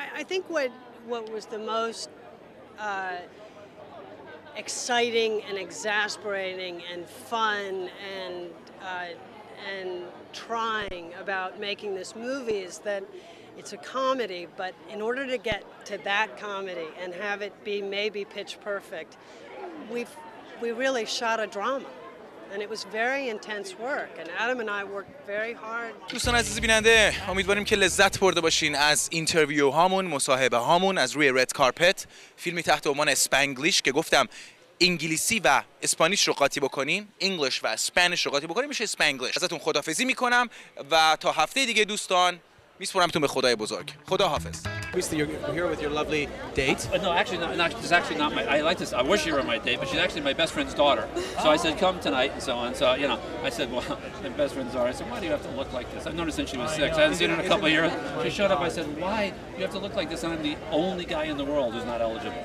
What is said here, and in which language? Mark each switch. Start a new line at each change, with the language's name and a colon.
English: I think what was the most exciting and exasperating and fun and trying about making this movie is that it's a comedy, but in order to get to that comedy and have it be maybe pitch perfect, we really shot a drama, and it was very intense work, and Adam and I worked very hard.
Persian: دوستان عزیز بیننده، امیدواریم که لذت برده باشین از اینترویو هامون، مصاحبه هامون از روی رد کارپت. فیلمی تحت عنوان اسپانگلیش که گفتم انگلیسی و اسپانیش رو قاطی بکنین، انگلیش و اسپانیش رو قاطی بکنین میشه اسپانگلیش. ازتون خدافظی میکنم و تا هفته دیگه دوستان میسپرمتون به خدای بزرگ. خداحافظ.
English: Obviously, you're here with your lovely date. No, actually, not. She's actually not my. I like this. I wish you were my date, but she's actually my best friend's daughter. So I said, come tonight, and so on. So you know, I said, well, my best friend's daughter. I said, why do you have to look like this? I've known her since she was six. I haven't seen her in a couple of years. She showed up. I said, why do you have to look like this? And I'm the only guy in the world who's not eligible.